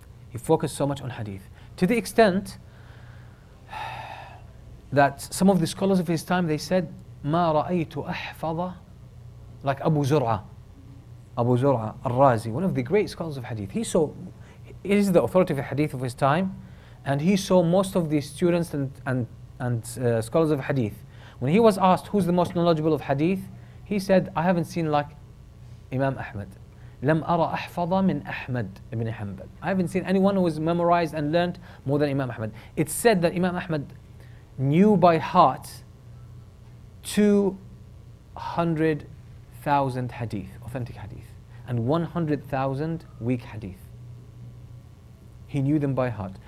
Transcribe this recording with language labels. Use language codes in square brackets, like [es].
[en] He focused so much on hadith, to the extent that some of the scholars of his time, they said, [ar] ما رأيت أحفظ [en] like Abu Zur'a al-Razi, one of the great scholars of hadith. He is the authority of the hadith of his time, and he saw most of the students and scholars of hadith. When he was asked who's the most knowledgeable of hadith, he said, I haven't seen like Imam Ahmad. [ar] لم أرى أحفظ من أحمد بن حنبل. [en] I haven't seen anyone who has memorized and learned more than Imam Ahmad. It's said that Imam Ahmad knew by heart 200,000 hadith, authentic hadith, and 100,000 weak hadith. He knew them by heart.